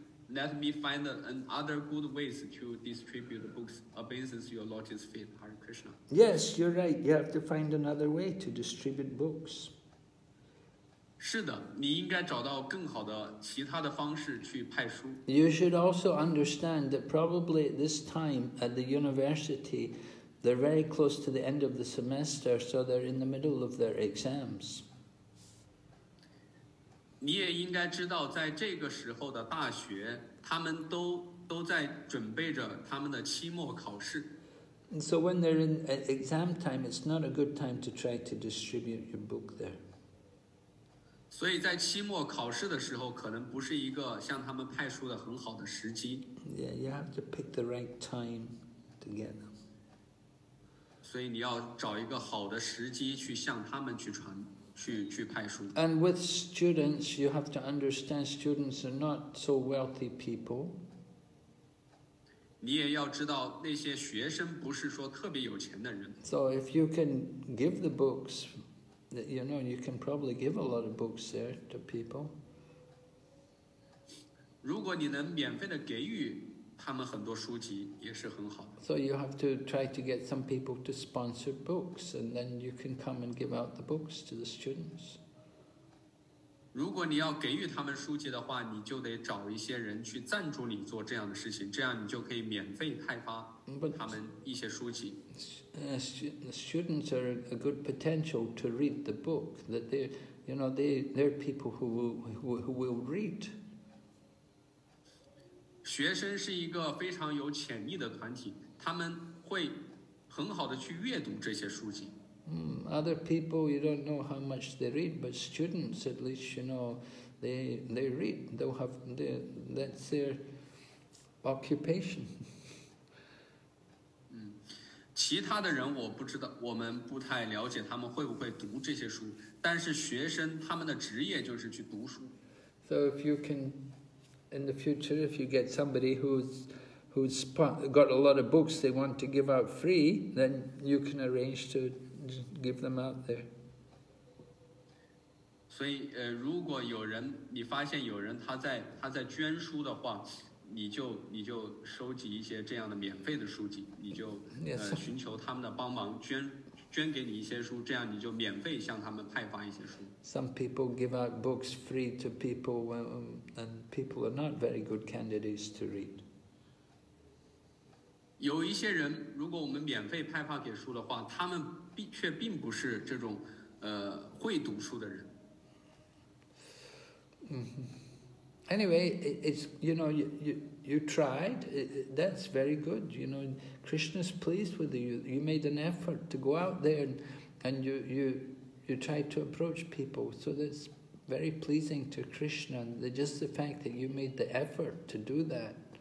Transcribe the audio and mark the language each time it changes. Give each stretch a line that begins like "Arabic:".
English: Let me find another good ways to distribute the books. Obeisances to your Lord's feet, Hare Krishna. Yes, you're right. You have to find another way to distribute books.
Chinese: 是的，你应该找到更好的其他的方式去派书。
English: You should also understand that probably at this time at the university, they're very close to the end of the semester, so they're in the middle of their exams.
Chinese: 你也应该知道，在这个时候的大学，他们都在准备着他们的期末考试。
English: And so when they're in exam time, it's not a good time to try to distribute your book there.
Chinese: 所以在期末考试的时候，可能不是一个向他们派书的很好的时机。
English: Yeah, you have to pick the right time to get them.
Chinese: 所以你要找一个好的时机去向他们去传。
English: And with students, you have to understand students are not so wealthy people.
Chinese: 你也要知道那些学生不是说特别有钱的人。
English: So if you can give the books, you know, you can probably give a lot of books there to people.
Chinese: 如果你能免费的给予他们很多书籍，也是很好。
English: So you have to try to get some people to sponsor books, and then you can come and give out the books to the students.
Chinese: 如果你要给予他们书籍的话，你就得找一些人去赞助你做这样的事情，这样你就可以免费派发他们一些书籍。
English: But, students are a good potential to read the book. That they, you know, they're people who will read.
Chinese: 学生是一个非常有潜力的团体，他们会很好的去阅读这些书籍。
English: Other people, you don't know how much they read, but students, at least, you know, they read. They'll have that's their occupation.
Chinese: 其他的人我不知道，我们不太了解他们会不会读这些书，但是学生他们的职业就是去读书。
English: So if you can, in the future, if you get somebody who's got a lot of books they want to give out free, then you can arrange to give them out there.
Chinese: 所以如果有人，你发现有人他在捐书的话，你就收集一些这样的免费的书籍，你就寻求他们的帮忙，捐给你一些书，这样你就免费向他们派发一些书。
English: Some people give out books free to people, and people are not very good candidates to read.
Chinese: 有一些人，如果我们免费派发给书的话，他们却并不是这种会读书的人。
English: Anyway, it's, you know, you tried, that's very good, you know, Krishna's pleased with you, you made an effort to go out there and you tried to approach people, so that's very pleasing to Krishna, just the fact that you made the effort to do that.